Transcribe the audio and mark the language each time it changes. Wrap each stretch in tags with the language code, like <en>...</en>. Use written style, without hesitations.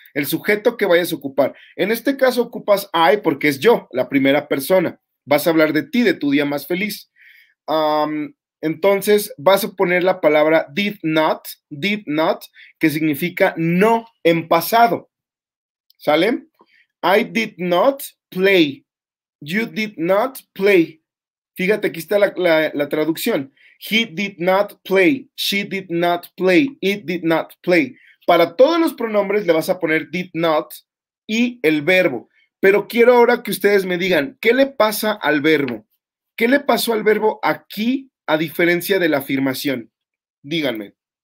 <es>El sujeto que vayas a ocupar. En este caso, ocupas I porque es yo, la primera persona. Vas a hablar de ti, de tu día más feliz. Entonces, vas a poner la palabra did not, que significa no en pasado, ¿sale?</es> <en>I did not play, you did not play.</en> <es>Fíjate, aquí está la traducción.</es> <en>He did not play, she did not play, it did not play.</en> <es>Para todos los pronombres le vas a poner did not y el verbo. Pero quiero ahora que ustedes me digan, ¿qué le pasa al verbo? ¿Qué le pasó al verbo aquí? A diferencia de la afirmación, díganme.</es>